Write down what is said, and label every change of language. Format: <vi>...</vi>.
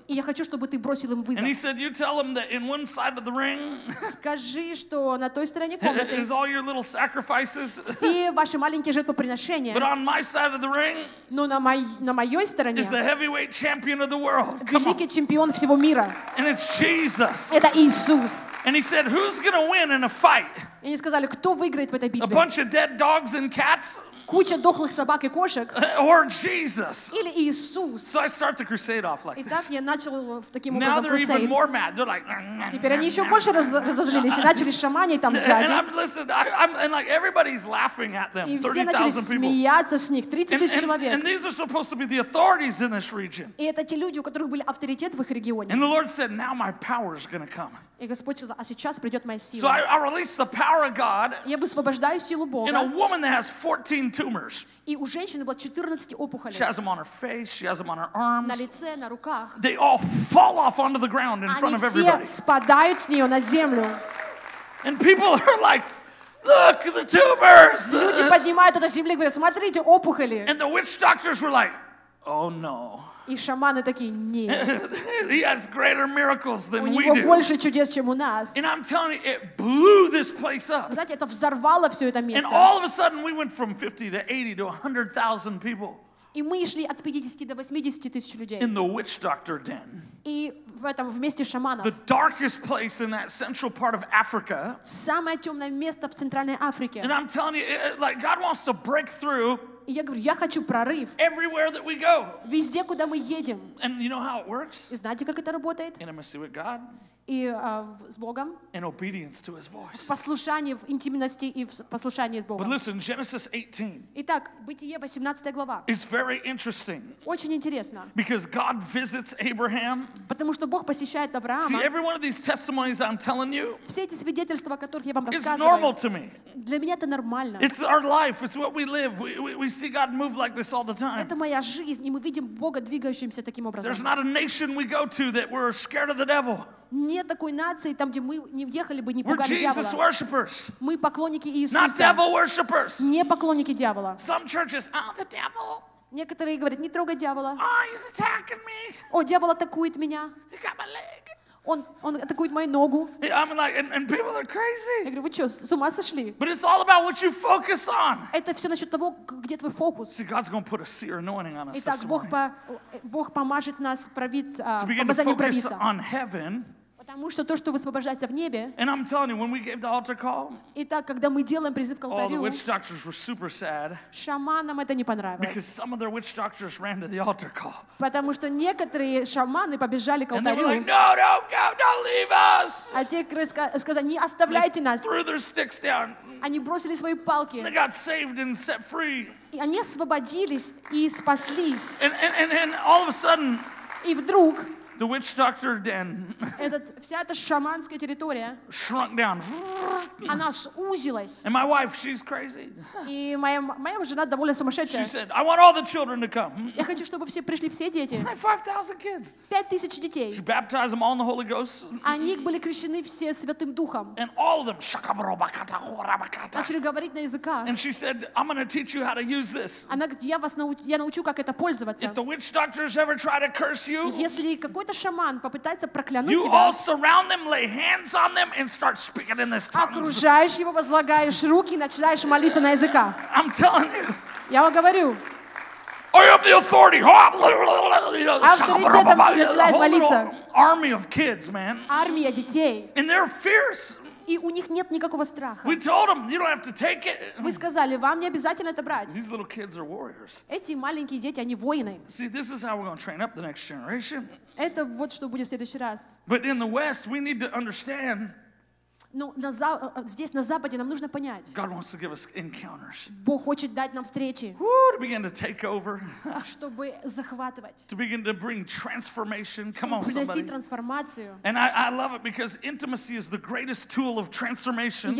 <ru>И я хочу, чтобы ты бросил им вызов. Скажи, что на той стороне комнаты все ваши маленькие жертвоприношения,</ru> <en>but on my side of the ring,</en> <ru>но на моей стороне</ru> <en>is the heavyweight champion of the world.</en> <ru>Великий чемпион всего мира.</ru> <en>And it's Jesus.</en> <ru>Это Иисус.</ru> <en>And he said, "Who's going to win in a fight?"</en> <ru>И они сказали, кто выиграет в этой битве?</ru> <en>A bunch of dead dogs and cats?</en> <ru>Куча дохлых собак и кошек?</ru> <en>Or Jesus?</en> <ru>Или Иисус?</ru> <en>So I start the crusade off like this.</en> <ru>Итак, я начал таким образом</ru> <en>crusade. Now they're even more mad. They're like.</en> <ru>Теперь они еще больше разозлились и начали шаманить там сзади.</ru> <en>And I'm listening. And like everybody's laughing at them.</en> <ru>И все начали смеяться с них. 30,000 человек.</ru> <en>And these are supposed to be the authorities in this region.</en> <ru>И это те люди, у которых были авторитет в их регионе.</ru> <en>And the Lord said, "Now my power is going to come."</en> <ru>И Господь сказал, а сейчас придет моя сила.</ru> <en>So I release the power of God.</en> <ru>Я высвобождаю силу Бога.</ru> <en>In a woman that has 14 tumors.</en> <ru>И у женщины было 14 опухолей.</ru> <en>She has them on her face. She has them on her arms.</en> <ru>На лице, на руках.</ru> <en>They all fall off onto the ground in front of everybody.</en> <ru>Они все спадают с нее на землю.</ru> <en>And people are like, look, the tumors.</en> <ru>Люди поднимают это с земли и говорят, смотрите, опухоли.</ru> <en>And the witch doctors were like, oh no.</en> <ru>И шаманы такие, нет.</ru> <en>He has greater miracles than we do.</en> <ru>У него больше чудес, чем у нас.</ru> <en>And I'm telling you, it blew this place up.</en> <ru>Знаете, это взорвало все это место.</ru> <en>And all of a sudden, we went from 50 to 80 to 100,000 people.</en> <ru>И мы шли от 50 до 80 тысяч людей.</ru> <en>In the witch doctor den.</en> <ru>И в этом вместе шаманов.</ru> <en>The darkest place in that central part of Africa.</en> <ru>Самое темное место в центральной Африке.</ru> <en>And I'm telling you, like God wants to break through.</en> <ru>И я говорю, я хочу прорыв.</ru> <en>Everywhere that we go.</en> <ru>Везде, куда мы едем.</ru> <en>And you know how it works?</en> <ru>И знаете, как это работает?</ru> <en>Intimacy with God.</en> <ru>И с Богом.</ru> <en>And obedience to His voice.</en> <ru>Послушание в интимности и в послушании с Богом.</ru> <en>But listen, Genesis 18.</en> <ru>Итак, Бытие 18 глава.</ru> <en>It's very interesting.</en> <ru>Очень интересно.</ru> <en>Because God visits Abraham.</en> <ru>Потому что Бог посещает Авраама.</ru> <en>See, every one of these testimonies I'm telling you.</en> <ru>Все эти свидетельства, о которых я вам рассказываю.</ru> <en>It's normal to me.</en> <ru>Для меня это нормально.</ru> <en>It's our life. It's what we live. We see God move like this all the time.</en> <ru>Это моя жизнь, и мы видим Бога двигающимся таким образом.</ru> <en>There's not a nation we go to that we're scared of the devil.</en> <ru>Нет такой нации, там, где мы не въехали бы, не пугали дьявола. Мы поклонники Иисуса.</ru> <en>Not devil worshippers.</en> <ru>Не поклонники дьявола.</ru> <en>Some churches, oh, the devil.</en> <ru>Некоторые говорят, не трогай дьявола.</ru> <en>Oh, he's attacking me.</en> <ru>О, дьявол атакует меня.</ru> <en>He got my leg.</en> <ru>Он атакует мою ногу.</ru> <en>I'm like, and people are crazy.</en> <ru>Я говорю, вы что, с ума сошли?</ru> <en>But it's all about what you focus on.</en> <ru>Это все насчет того, где твой фокус.</ru> <en>See, God's gonna put a seer anointing on us.</en> <ru>Итак, Бог помажет нас помазанием провидца. Потому что то, что высвобождается в небе.</ru> <en>And I'm telling you, when we gave the altar call.</en> <ru>Итак, когда мы делаем призыв к алтарю.</ru> <en>All the witch doctors were super sad.</en> <ru>Шаманам это не понравилось.</ru> <en>Because some of their witch doctors ran to the altar call.</en> <ru>Потому что некоторые шаманы побежали к алтарю.</ru> <en>And they were like, "No, don't go, don't leave us!"</en> <ru>А те сказали, не оставляйте нас.</ru> <en>Threw their sticks down.</en> <ru>Они бросили свои палки.</ru> <en>They got saved and set free.</en> <ru>И они освободились и спаслись.</ru> <en>And all of a sudden.</en> <ru>И вдруг.</ru> <en>The witch doctor den.</en> <ru>Этот вся эта шаманская территория.</ru> <en>Shrunk down.</en> <ru>Она сузилась.</ru> <en>And my wife, she's crazy.</en> <ru>И моя жена довольно сумасшедшая.</ru> <en>She said, I want all the children to come.</en> <ru>Я хочу, чтобы все пришли, все дети.</ru> <en>5,000 kids.</en> <ru>5,000 детей.</ru> <en>She baptized them all in the Holy Ghost.</en> <ru>Они были крещены все Святым Духом.</ru> <en>And all of them шакамробаката хорабаката.</en> <ru>Начали говорить на языках.</ru> <en>And she said, I'm going to teach you how to use this.</en> <ru>Она говорит, я научу, как это пользоваться.</ru> <en>If the witch doctors ever try to curse you.</en> <ru>Если какой-то шаман попытается проклянуть</ru> <en>you</en> <ru>тебя,</ru> <en>all surround them, lay hands on them, and start speaking in this tongue.</en> <ru>Окружаешь его, возлагаешь руки, начинаешь молиться на языках.</ru> <en>I'm telling you.</en> <ru>Я вам говорю.</ru> <en>I am the authority.</en> <ru>Авторитетом начинает молиться.</ru> <en>Army of kids, man.</en> <ru>Армия детей.</ru> <en>And they're fierce.</en> <ru>И у них нет никакого страха.</ru> <en>We told them, you don't have to take it.</en> <ru>Мы сказали, вам не обязательно это брать.</ru> <en>These little kids are warriors.</en> <ru>Эти маленькие дети, они воины.</ru> <en>See, this is how we're going to train up the next generation.</en> <ru>Это вот что будет в следующий раз.</ru> <en>But in the West, we need to understand.</en> <ru>Но здесь на Западе нам нужно понять.</ru> <en>God wants to give us encounters.</en> <ru>Бог хочет дать нам встречи.</ru> <en>Woo, to begin to take over.</en> <ru>Чтобы захватывать.</ru> <en>To begin to bring transformation. Come on, somebody.</en> <ru>Приносить трансформацию.</ru> <en>And I love it because intimacy is the greatest tool of transformation.</en>